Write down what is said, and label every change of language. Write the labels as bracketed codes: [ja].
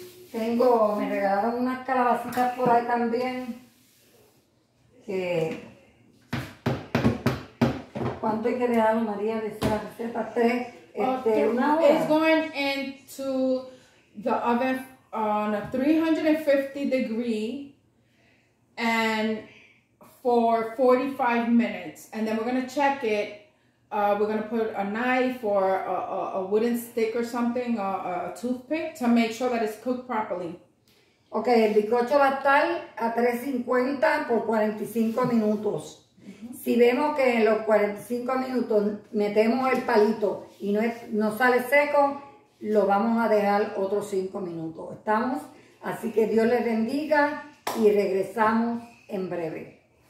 [es] Tengo, me regalaron unas calabacitas por ahí también. Que, ¿cuánto hay que dejar, María, de esa receta? Tres, una hora. [en] It's going into the oven on a 350 degrees and for 45 minutes, and then we're gonna check it. We're gonna put a knife or a wooden stick or something, a toothpick, to make sure that it's cooked properly. [es] Okay, el bizcocho va a estar a 350 por 45 minutos. Si vemos que en los 45 minutos metemos el palito y no sale seco, lo vamos a dejar otros 5 minutos. ¿Estamos? Así que Dios les bendiga y regresamos en breve.